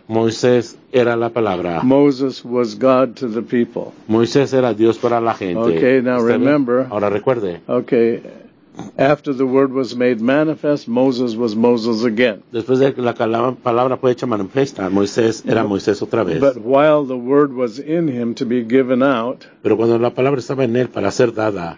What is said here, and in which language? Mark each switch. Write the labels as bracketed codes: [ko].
[es] Moisés era la palabra. [en] Moses was God to the people. [es] Moisés era Dios para la gente. [en] Okay, now remember. [es] Ahora recuerde. [en] Okay, after the word was made manifest, Moses was Moses again. [es] Después de que la palabra fue hecha manifiesta, Moisés era Moisés otra vez. [en] But while the word was in him to be given out, [es] pero cuando la palabra estaba en él para ser dada,